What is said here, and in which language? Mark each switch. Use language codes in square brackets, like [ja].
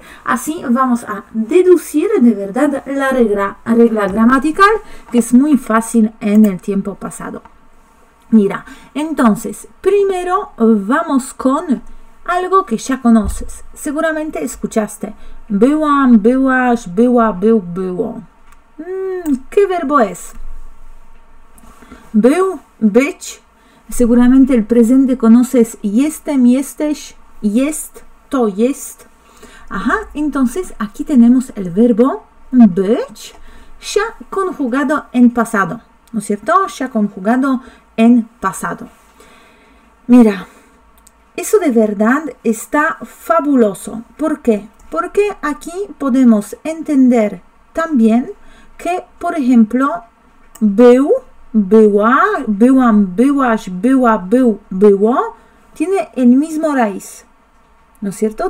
[es] Así vamos a deducir de verdad la regla gramatical, que es muy fácil en el tiempo pasado. Mira, entonces, primero vamos con algo que ya conoces. Seguramente escuchaste. [pl] Byłam, byłaś, była, był, było. [es] ¿Qué verbo es? [pl] Był, być. [es] Seguramente el presente conoces. [pl] Jestem, jesteś, jest, to jest. [es] Ajá, entonces aquí tenemos el verbo być ya conjugado en pasado. ¿No es cierto? Ya conjugado en pasado. Mira, eso de verdad está fabuloso. ¿Por qué? Porque aquí podemos entender también que, por ejemplo, [pl] był, była, byłam, byłaś, była, był, było, [es] tiene el mismo raíz. ¿No es cierto?